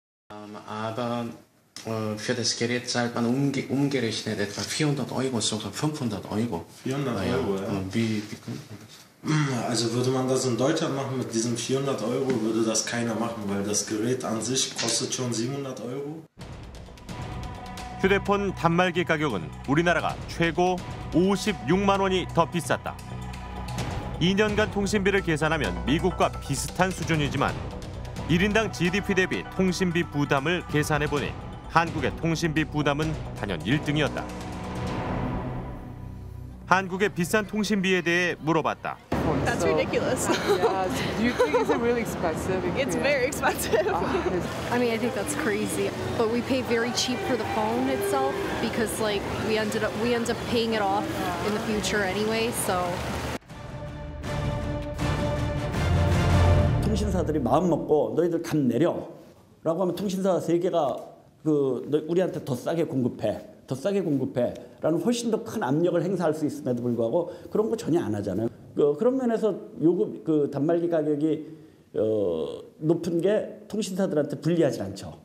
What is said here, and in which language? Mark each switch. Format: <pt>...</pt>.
<de>Aber für das Gerät zahlt man umgerechnet etwa 400 Euro, sogar 500 Euro. 400 Euro, ja. Wie kommt das? Also würde man das in Deutschland machen mit diesen 400 Euro, würde das keiner machen, weil das Gerät an sich kostet schon 700 Euro.</de> <ko>휴대폰 단말기 가격은 우리나라가 최고 56만 원이 더 비쌌다. 2년간 통신비를 계산하면 미국과 비슷한 수준이지만 1인당 GDP 대비 통신비 부담을 계산해보니 한국의 통신비 부담은 단연 1등이었다. 한국의 비싼 통신비에 대해 물어봤다.</ko> <en>That's ridiculous. Yeah, do you think it's really expensive? It's very expensive. I mean, I think that's crazy. But we pay very cheap for the phone itself because like we end up paying it off in the future anyway, so</en> <ko>통신사들이 마음 먹고 너희들 값 내려라고 하면 통신사 세 개가 그 우리한테 더 싸게 공급해. 더 싸게 공급해라는 훨씬 더 큰 압력을 행사할 수 있음에도 불구하고 그런 거 전혀 안 하잖아요. 그런 면에서 요금 그 단말기 가격이 높은 게 통신사들한테 불리하지 않죠.</ko>